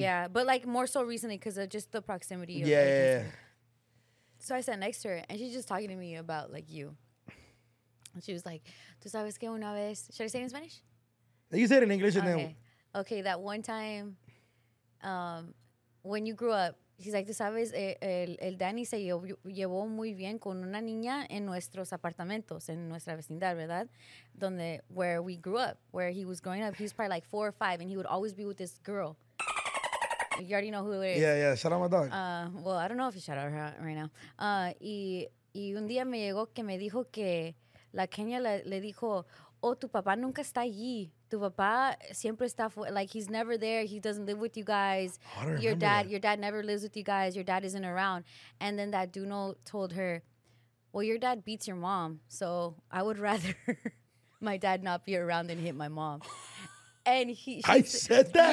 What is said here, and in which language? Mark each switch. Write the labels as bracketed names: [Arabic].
[English] Yeah, but like more so recently because of just the proximity. Yeah. So I sat next to her, and she's just talking to me about like you. And she was like, [Spanish] "Tú sabes que una vez," [English] should I say it in Spanish? You said it in English, Okay, that one time, when you grew up, She's like, [Spanish] tú sabes, el Danny se llevó muy bien con una niña en nuestros apartamentos, en nuestra vecindad, ¿verdad? Donde, [English] where we grew up, where he was growing up. He was probably like 4 or 5, and he would always be with this girl. You already know who it is. Yeah, yeah, shout out my dog. Well, I don't know if you shout out her right now. [Spanish] Y un día me llegó que me dijo que la Kenya le dijo, oh, tu papá nunca está allí. Tu papá siempre está, like, [English] he's never there. He doesn't live with you guys. Your dad never lives with you guys. Your dad isn't around. And then that Duno told her, well, your dad beats your mom. So I would rather my dad not be around than hit my mom. And I said that?